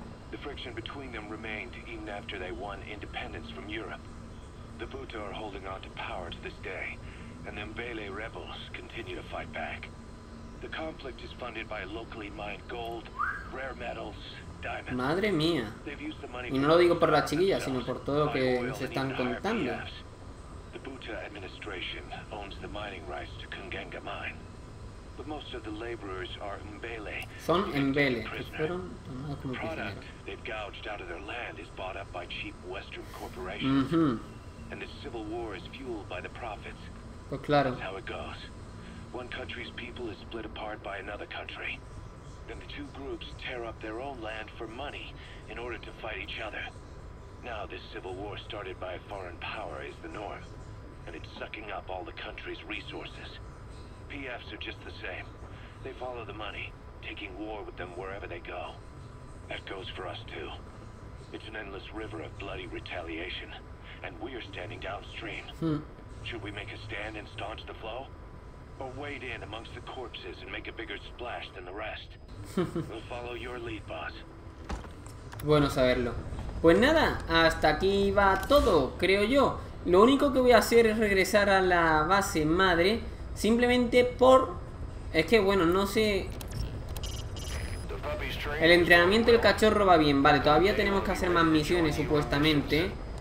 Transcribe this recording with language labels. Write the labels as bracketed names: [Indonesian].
[English] The friction between them remained even after they won independence from Europe. The Buta are holding on to power to this day, and the Mbele rebels continue to fight back. The conflict is funded by locally mined gold, rare metals, diamonds. [Spanish] Madre mía. Y no lo digo por las chiquillas, sino por todo lo que nos están contando. [English] The Buta administration owns the mining rights to Kungenga mine. But most of the laborers are Mbele. [Spanish] Son Mbele, que fueron tomados como prisioneros. [English] The product they've gouged out of their land is bought up by cheap Western corporations. Mm-hmm. And the civil war is fueled by the profits. [Spanish] Pues claro. [English] That's how it goes. One country's people is split apart by another country. Then the two groups tear up their own land for money in order to fight each other. Now this civil war started by a foreign power is the norm, and it's sucking up all the country's resources. PFs are just the same. They follow the money, taking war with them wherever they go. That goes for us too. It's an endless river of bloody retaliation, and we're standing downstream. Should we make a stand and staunch the flow? Or wade in amongst the corpses and make a bigger splash than the rest. We'll follow your lead, boss. [Spanish] Bueno saberlo. Pues nada, hasta aquí va todo, creo yo. Lo único que voy a hacer es regresar a la base madre. Simplemente por... Es que, bueno, no sé... El entrenamiento del cachorro va bien. Vale, todavía tenemos que hacer más misiones, supuestamente.